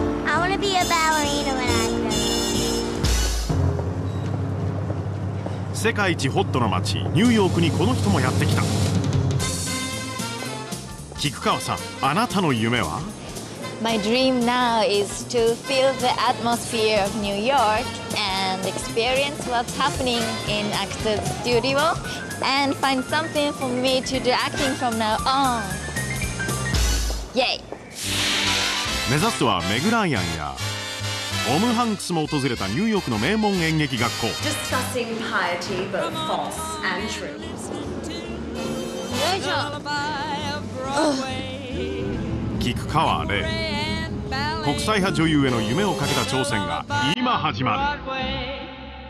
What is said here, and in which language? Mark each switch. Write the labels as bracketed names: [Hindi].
[English] I want to be a ballerina when I grow up. [Japanese] 世界一ホットの街ニューヨークにこの人もやってきた。菊川さん、あなたの夢は？ [English] My dream now is to feel the atmosphere of New York and experience what's happening in actor's studio and find something for me to do acting from now on. Yay! [Japanese] 目指すはメグ・ライアンやオム・ハンクスも訪れたニューヨークの名門演劇学校。 [English] Discussing piety both false and true. [Japanese] よいしょ。菊川怜、国際派女優への夢をかけた挑戦が今始まる。